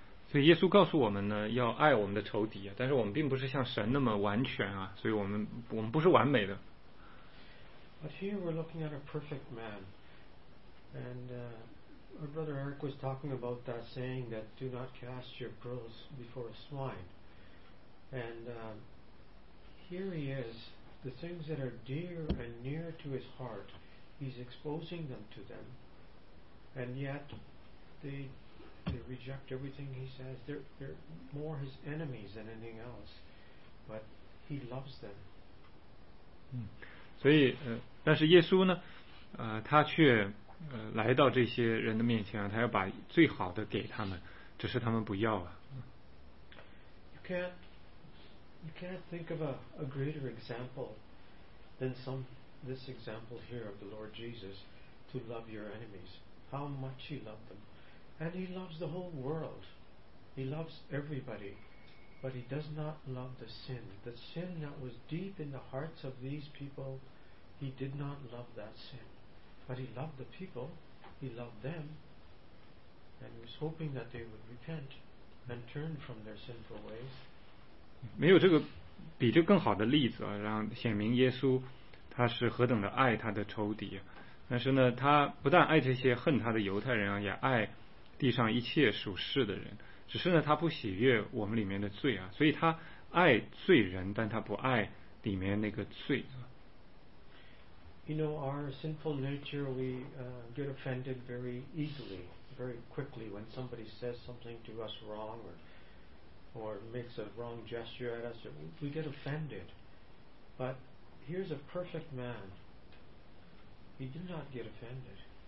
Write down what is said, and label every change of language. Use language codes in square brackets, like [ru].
[zh] 所以耶稣告诉我们呢，要爱我们的仇敌啊，但是我们并不是像神那么完全啊，所以我们不是完美的。 [en] But here we're looking at a perfect man, and our brother Eric was talking about that saying that do not cast your pearls before a swine. And here he is, the things that are dear and near to his heart, he's exposing them to them, and yet they reject everything he says. They're more his enemies than anything else, but he loves them. [zh] 嗯，所以但是耶稣呢，他却来到这些人的面前啊，他要把最好的给他们，只是他们不要啊。 [en] You can't think of a greater example than this example here of the Lord Jesus to love your enemies. How much he loved them. And he loves the whole world. He loves everybody. But he does not love the sin. The sin that was deep in the hearts of these people, he did not love that sin. But he loved the people. He loved them. And he was hoping that they would repent and turn from their sinful ways. [zh] 没有这个比这更好的例子啊，让显明耶稣他是何等的爱他的仇敌。但是呢，他不但爱这些恨他的犹太人啊，也爱地上一切属世的人，只是呢，他不喜悦我们里面的罪啊，所以他爱罪人，但他不爱里面那个罪。 [en] You know, our sinful nature, we get offended very easily, very quickly when somebody says something to us wrong or makes a wrong gesture at us. We get offended. But here's a perfect man. He did not get offended.